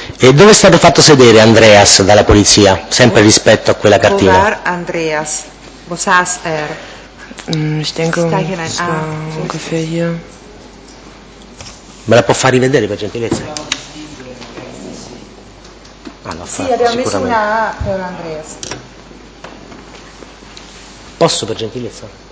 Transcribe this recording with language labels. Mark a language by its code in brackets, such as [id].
[it] E dove è stato fatto sedere Andreas dalla polizia? Sempre rispetto a quella cartina. Dove era Andreas? [de] Wo saß er? Ich denke, ungefähr hier. [it] Me la può far rivedere, per gentilezza? Sì, abbiamo messo una A per Andreas. Posso, per gentilezza?